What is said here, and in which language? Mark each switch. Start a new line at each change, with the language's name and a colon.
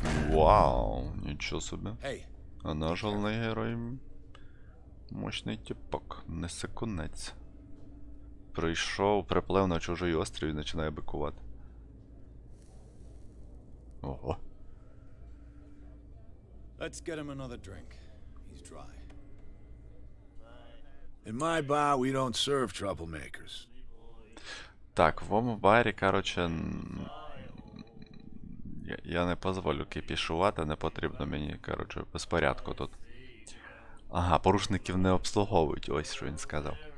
Ukrainian: Вау, нічого собі. А наш головний герой... Мощний тіпок, не секунець. Прийшов, приплив на чужий острів і починає бикувати. Ого.
English: Let's get him another drink. He's dry. In my bar we don't serve troublemakers.
Ukrainian: Так, в моєму барі, короче, я не дозволю кипішувати, не потрібно мені, короче, безпорядку тут. Ага, порушників не обслуговують, ось що він сказав.